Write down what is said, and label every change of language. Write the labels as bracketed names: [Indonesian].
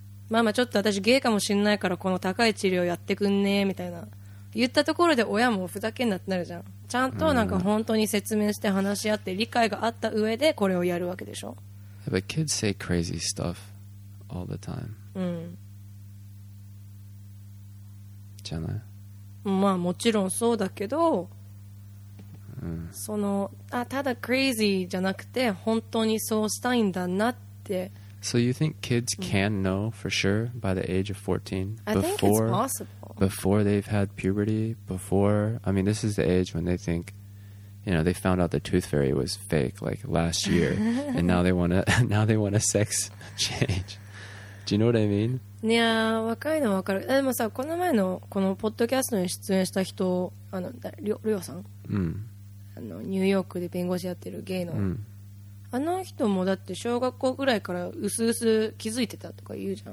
[Japanese] まあまあちょっと私ゲイかもしんないからこの高い治療やってくんねーみたいな言ったところで親もふざけんなってなるじゃん。ちゃんとなんか本当に説明して話し合って理解があった上でこれをやるわけでしょ。 [English] Yeah, but kids say crazy stuff all the time. うん。 [Japanese] じゃない。まあもちろんそうだけど。その、あ、ただクレイジーじゃなくて本当にそうしたいんだなって。 [English] So you think kids can know for sure by the age of 14? I think it's possible. Before they've had puberty, I mean, this is the age when they think, you know, they found out the tooth fairy was fake like last year and now they want a sex change. Do you know what I mean? [Japanese] いや、若いのは分かる。でもさ、この前のこのポッドキャストに出演した人、あの、りょうさん。うん。ニューヨークで弁護士やってるゲイの、うん、あの人もだって小学校ぐらいからうすうす気づいてたとか言うじゃん、